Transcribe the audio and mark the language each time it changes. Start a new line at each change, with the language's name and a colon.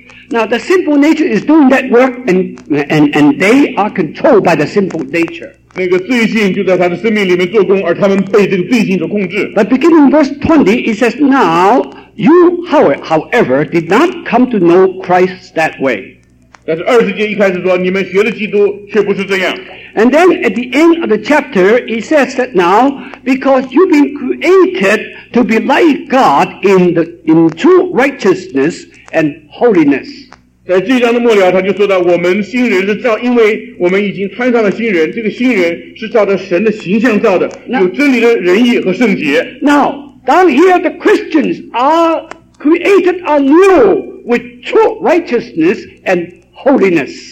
English: Now the sinful nature is doing that work and they are controlled by the sinful nature.
Chinese: 那个罪性就在他的生命里面做工,而他们被这个罪性所控制。
English: But beginning verse 20, it says, now you, however, did not come to know Christ that way.
Chinese: 但是二十节一开始说,你们学了基督,却不是这样。
English: And then at the end of the chapter, it says that now, because you've been created to be like God in true righteousness, and holiness.
Chinese: 在这一章的末了,他就说到,我们新人是造,因为我们已经穿上了新人,这个新人是照着神的形象造的,有真理的仁义和圣洁。
English: Now, down here, the Christians are created anew with true righteousness and holiness.